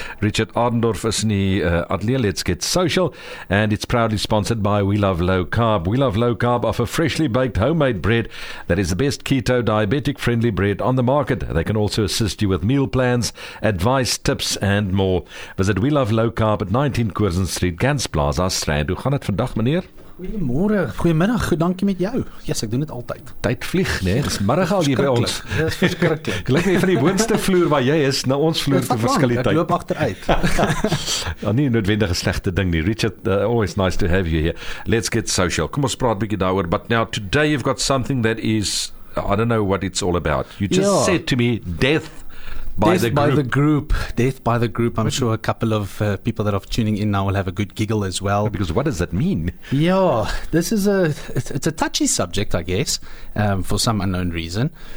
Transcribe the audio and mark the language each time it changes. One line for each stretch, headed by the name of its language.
English: Richard Ardendorff is in die Atelier Let's Get Social, and it's proudly sponsored by We Love Low Carb. We Love Low Carb offer freshly baked homemade bread that is the best keto diabetic friendly bread on the market. They can also assist you with meal plans, advice, tips and more. Visit We Love Low Carb at 19 Curzon Street, Gans Plaza, Strand.
Afrikaans: Hoe gaan het vandag, meneer? Goeiemôre, goeiemiddag, dankie met jou. Yes, ek doen dit altyd. Tyd vlieg, nee, dis middag al hier by ons. Dis verskriklik. Gelyk nie van die boonste vloer waar jy is, na ons vloer te verskil die tyd. Ek loop achteruit. Ja, nie noodwendig 'n slechte ding nie.
English: Richard, always nice to have you here. Let's get social.
Afrikaans: Kom ons praat bietjie daaroor.
English: But now, today you've got something that is, I don't know what it's all about. You just said to me, Death by the group. I'm sure a couple of people that are tuning in now will have a good giggle as well. Because what does that mean? Yeah, this is it's a touchy subject, I guess, for some unknown reason.